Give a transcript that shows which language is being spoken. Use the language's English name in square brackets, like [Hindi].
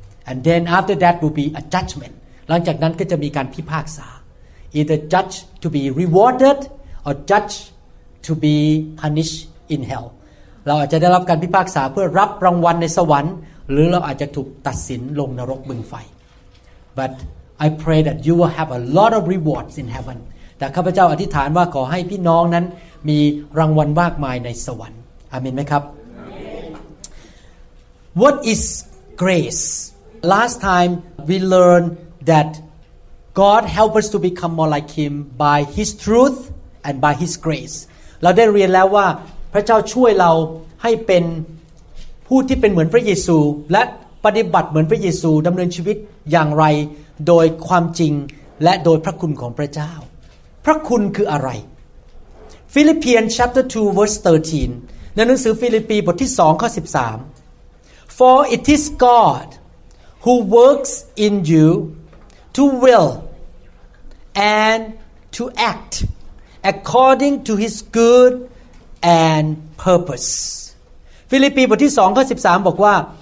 [English] And then after that will be a judgment [Thai] หลังจากนั้นก็จะมีการพิพากษา [English] Either judge to be rewarded or judge to be punished in hell [Thai] เราอาจจะได้รับการพิพากษาเพื่อรับรางวัลในสวรรค์หรือเราอาจจะถูกตัดสินลงนรกบึงไฟ [English] But I pray that you will have a lot of rewards in heaven. [Thai] แต่ข้าพเจ้าอธิษฐานว่าขอให้พี่น้องนั้นมีรางวัลมากมายในสวรรค์อาเมนไหมครับ [English] What is grace? Last time we learned that God helps us to become more like Him by His truth and by His grace. [Thai] เราได้เรียนแล้วว่าพระเจ้าช่วยเราให้เป็นผู้ที่เป็นเหมือนพระเยซูและปฏิบัติเหมือนพระเยซูดำเนินชีวิตอย่างไรโดยความจริงและโดยพระคุณของพระเจ้าพระคุณคืออะไร [English] ฟิลิปเปียน chapter 2 verse 13 [Thai] ในหนังสือฟิลิปปีบทที่2ข้อ13 [English] For it is God who works in you to will and to act according to his good and purpose [Thai] ฟิลิปปีบทที่2ข้อ13บอกว่า